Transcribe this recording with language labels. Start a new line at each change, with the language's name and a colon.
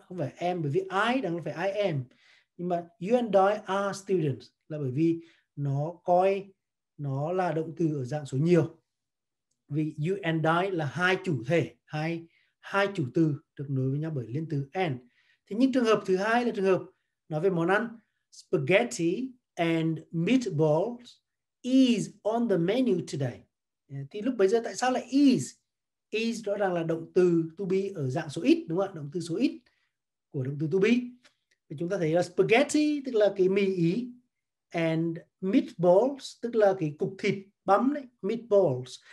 Vietnamese: Không phải em, bởi vì I đang phải
English: I am.
Vietnamese: Nhưng mà
English: you and I are students
Vietnamese: là bởi vì nó coi nó là động từ ở dạng số nhiều. Vì you and I là hai chủ thể, hai hai chủ từ được nối với nhau bởi liên từ and. Thế nhưng trường hợp thứ hai là trường hợp nói về món ăn.
English: Spaghetti and meatballs is on the menu today.
Vietnamese: Thì lúc bấy giờ tại sao lại is? Is rõ ràng là động từ to be ở dạng số ít, đúng không ạ? Động từ số ít của động từ to be. Thì chúng ta thấy là spaghetti tức là cái mì ý, and meatballs tức là cái cục thịt bắm đấy, meatballs.